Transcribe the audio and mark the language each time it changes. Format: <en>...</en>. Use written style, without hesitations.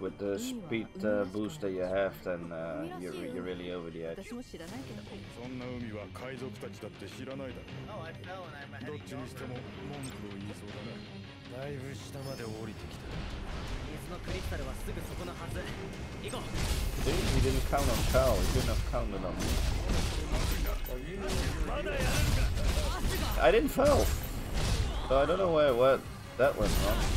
<en>With the speed boost that you have, then you're really over the edge.</en> <ja>そんな海は海賊たちだって知らないだろ。どっちにしても文句を言いそうだな。だいぶ下まで降りてきた。水のクリスタルはすぐそこのはず。行こう。</ja> <en>He didn't count on Cal. He couldn't have counted on me.</en> <ja>まだやるか。</ja> <en>I didn't fall. So I don't know where what that went wrong.</en>